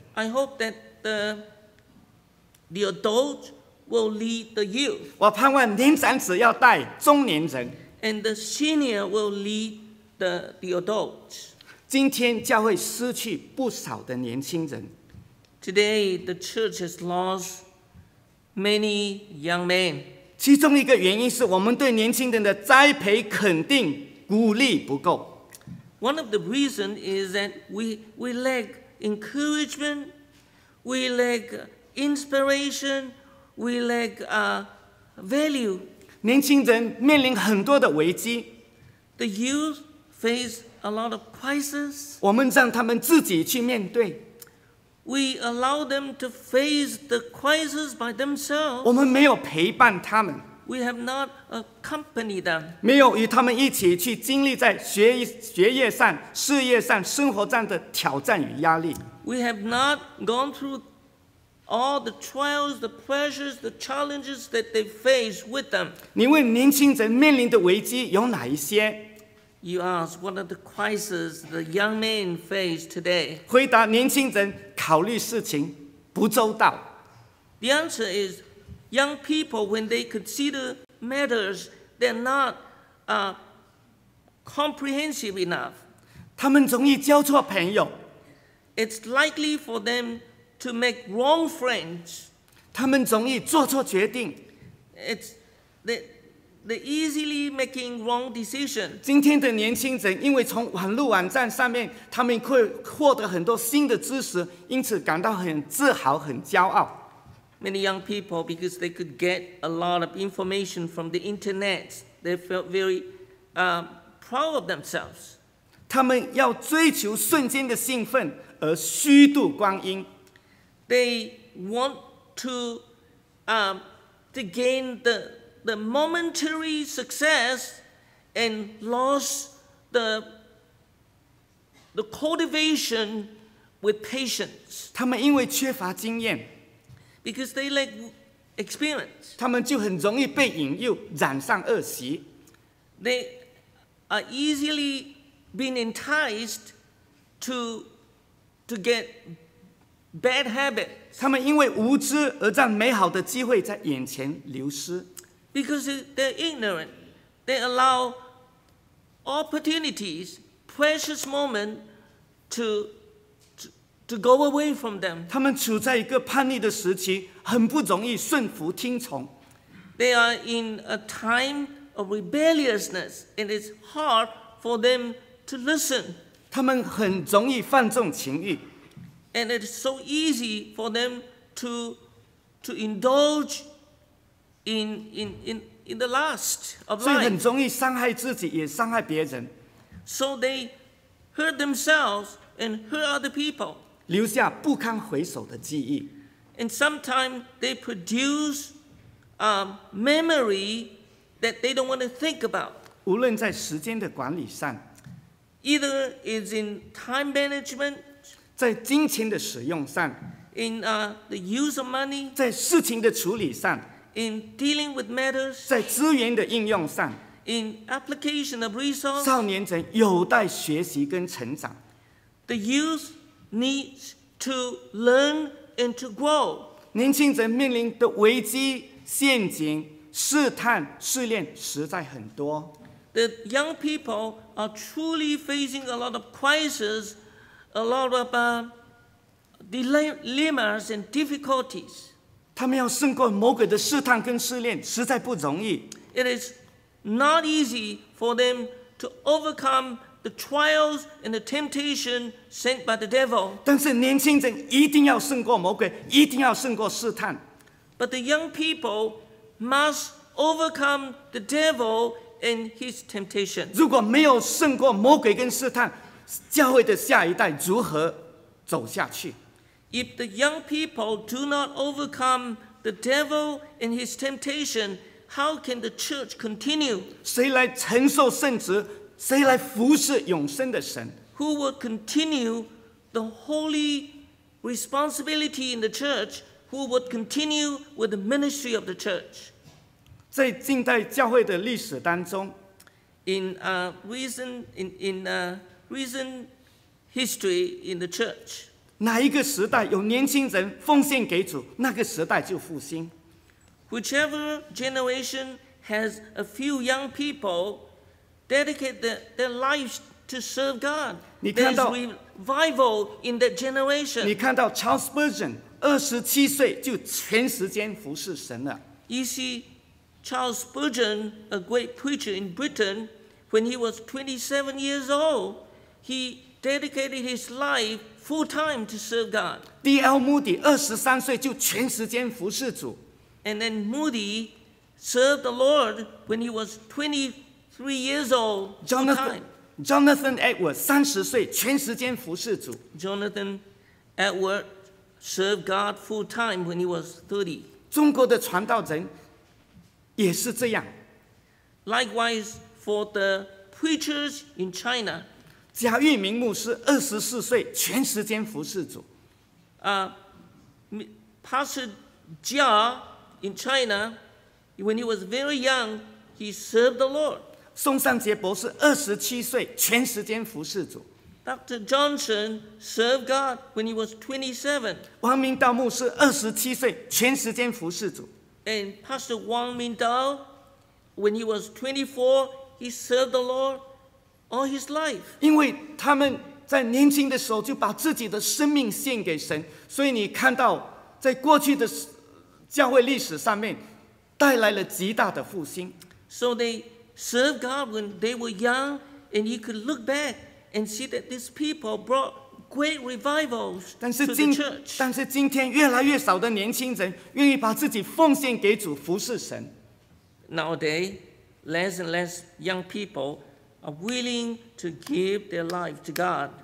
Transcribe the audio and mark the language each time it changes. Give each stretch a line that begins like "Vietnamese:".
English: I hope that the adults will lead the youth.
Chinese: 我盼望年长子要带中年人。
English: And the senior will lead the adults.
Chinese: 今天教会失去不少的年轻人。
English: Today the church has lost many young men.
Chinese: 其中一个原因是我们对年轻人的栽培、肯定、鼓励不够。
English: One of the reasons is that we lack encouragement, we lack inspiration, we lack value.
Chinese: 年轻人面临很多的危机。
English: The youth face a lot of crises.
Chinese: 我们让他们自己去面对。
English: We allow them to face the crisis by themselves.
Chinese: 我们没有陪伴他们。
English: We have not accompanied them.
Chinese: 没有与他们一起去经历在学业上、事业上、生活上的挑战与压力。
English: We have not gone through all the trials, the pressures, the challenges that they face with them.
Chinese: 你问年轻人面临的危机有哪一些？
English: You ask what are the crises the young men face today?
Chinese: 回答年轻人考虑事情不周到。
English: The answer is young people, when they consider matters, they're not comprehensive enough.
Chinese: 他们容易交错朋友。
English: It's likely for themTo make wrong friends.
Chinese: 他们容易做错决定。
English: It's they easily making wrong decisions.
Chinese: 今天的年轻人因为从网络网站上面他们会获得很多新的知识，因此感到很自豪，很骄傲。
English: Many young people, because they could get a lot of information from the internet, they felt very proud of themselves.
Chinese: 他们要追求瞬间的兴奋而虚度光阴。
English: They want to gain the momentary success and lose the the cultivation with patience.
Chinese: 他们因为缺乏经验
English: ，because they lack experience.
Chinese: 他们就很容易被引诱，染上恶习。
English: They are easily being enticed to get bad habits.
Chinese: 他们因为无知而让美好的机会在眼前流失。
English: Because they're ignorant, they allow opportunities, precious moments, to go away from them.
Chinese: 他们处在一个叛逆的时期，很不容易顺服听从。
English: They are in a time of rebelliousness, and it's hard for them to listen.
Chinese: 他们很容易放纵情欲。
English: And it's so easy for them to indulge in the lust of life.
Chinese: 所以很容易伤害自己，也伤害别人。
English: So they hurt themselves and hurt other people.
Chinese: 留下不堪回首的记忆。
English: And sometimes they produce a memory that they don't want to think about.
Chinese: 无论在时间的管理上
English: ，either is in time management.
Chinese: 在金钱的使用上
English: ，in the use of money，
Chinese: 在事情的处理上
English: ，in dealing with matters，
Chinese: 在资源的应用上
English: ，in application of resources，
Chinese: 少年人有待学习跟成长。
English: The youth needs to learn and to grow。
Chinese: 年轻人面临的危机、陷阱、试探、试炼实在很多。
English: The young people are truly facing a lot of crises。 A lot of dilemmas and difficulties.
Chinese: 他们要胜过魔鬼的试探跟试炼，实在不容易。
English: It is not easy for them to overcome the trials and the temptation sent by the devil.
Chinese: 但是年轻人一定要胜过魔鬼，一定要胜过试探。
English: But the young people must overcome the devil and his temptation.
Chinese: 如果没有胜过魔鬼跟试探，教会的下一代如何走下去？
English: If the young people do not overcome the devil and his temptation, how can the church continue?
Chinese: 谁来承受圣职？谁来服侍永生的神？
English: Who will continue the holy responsibility in the church? Who would continue with the ministry of the church?
Chinese: 在近代教会的历史当中
English: in recent history in the church.
Chinese: 哪一个时代有年轻人奉献给主，那个时代就复兴。
English: Whichever generation has a few young people dedicate their lives to serve God, there's revival in that generation.
Chinese: 你看到 Charles Spurgeon 27岁就全时间服侍神了。
English: You see, Charles Spurgeon, a great preacher in Britain, when he was 27 years old,He dedicated his life full time to serve God.
Chinese: D.L. Moody, 23岁就全时间服侍主。
English: And then Moody served the Lord when he was 23 years old.
Chinese: Jonathan Edwards, 30岁全时间服侍主。
English: Jonathan Edwards served God full time when he was 30.
Chinese: 中国的传道人也是这样。
English: Likewise for the preachers in China.
Chinese: 贾玉明牧师24岁全时间服侍主。
English: Pastor Jia in China, when he was very young, he served the Lord.
Chinese: 宋尚杰博士27岁全时间服侍主。
English: Dr. Johnson served God when he was 27.
Chinese: 王明道牧师27岁全时间服侍主。
English: And Pastor Wang Mingdao, when he was 24, he served the Lord. All his life.
Chinese: 因为他们在年轻的时候就把自己的生命献给神，所以你看到在过去的教会历史上面带来了极大的复兴。
English: So they served God when they were young, and you could look back and see that these people brought great revivals to the church.
Chinese: 但是今天越来越少的年轻人愿意把自己奉献给主服侍神。
English: Nowadays, less and less young people. Are willing to give their life to God.